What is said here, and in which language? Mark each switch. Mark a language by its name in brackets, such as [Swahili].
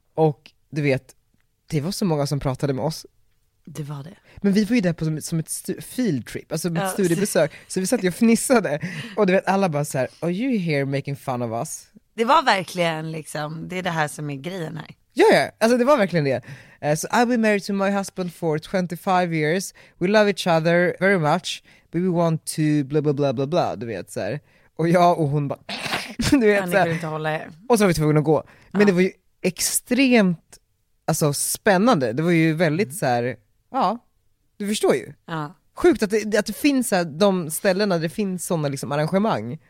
[Swedish] Och du vet, det var så många som pratade med oss. Det var det. Men vi var ju där på som ett field trip, alltså ett studiebesök. Så vi satt ju och fnissade och du vet alla bara så här, [English] "Are you here making fun of us?" [Swedish] Det var verkligen liksom, det är det här som är grejen här. Ja, ja, alltså det var verkligen det. [English] So I've been married to my husband for 25 years. We love each other very much. But we want to blah, blah, blah, blah, blah, [Swedish] du vet så här. Och jag och hon bara, du vet så här. Inte hålla er. Och så var vi tvungna att gå. Men ja, det var ju extremt, alltså spännande. Det var ju väldigt så här, ja, du förstår ju. Ja. Sjukt att det finns här, de ställena, det finns sådana liksom arrangemang.